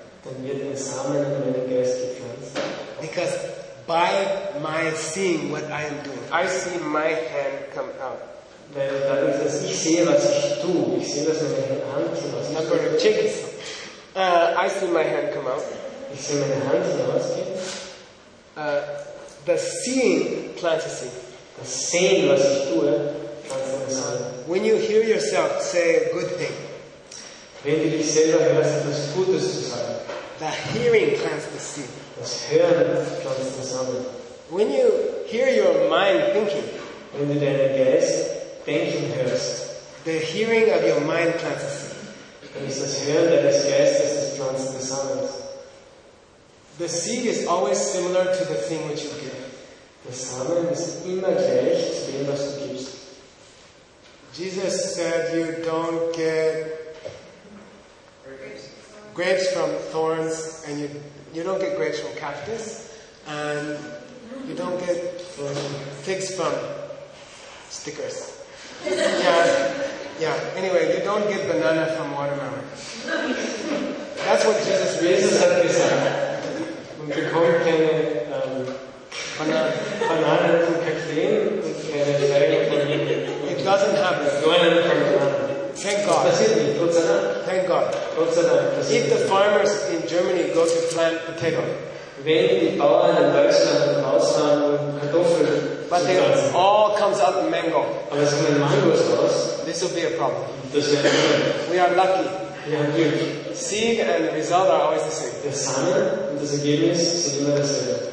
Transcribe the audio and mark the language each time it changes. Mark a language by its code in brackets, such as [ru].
[de] Dann wird ein Samen in meinem Geist gepflanzt. [en] Because by my seeing what I am doing, I see my hand come out. [de] Weil dadurch, dass ich sehe, was ich tue, ich sehe, dass meine Hand so was ich tue. [en] Chicken. I see my hand come out. [de] Ich sehe meine Hand so rausgehen. [en] The seeing plants a seed. [de] Das Sehen, was ich tue, [en] plants [de] eine Samen. [en] When you hear yourself say a good thing, [de] wenn du dich selber hörst, etwas Gutes zu sagen, [en] the hearing plants the seed. [de] Das Hören pflanzt den Samen. [en] When you hear your mind thinking, [de] wenn du deinen Geist denken hörst, [en] the hearing of your mind plants the seed. [de] Dann ist das Hören deines Geistes, das pflanzt den Samen. [en] The seed is always similar to the thing which you give. [de] Der Samen ist immer gleich zu dem, was du gibst. [en] Jesus said, you don't get grapes from thorns, and you don't get grapes from cactus, and you don't get figs from stickers. Yeah. Anyway, you don't get banana from watermelon. That's what Jesus raises up his hand. [de] Und bekommt keine Banane von Kakteen und keine Feige von Linden. [en] It doesn't happen. [de] Banane von Banane. [en] Thank God. Thank God. If the farmers in Germany go to plant potato, [de] wenn die Bauern in Deutschland und Ausland Kartoffeln, [en] but they all comes out mango. [de] Aber es kommen Mangos raus. [en] This will be a problem. [de] Das wäre ein Problem. [en] We are lucky. [de] Wir haben Glück. [en] Seed and result are always the same. [de] Der Samen und das Ergebnis sind immer dasselbe.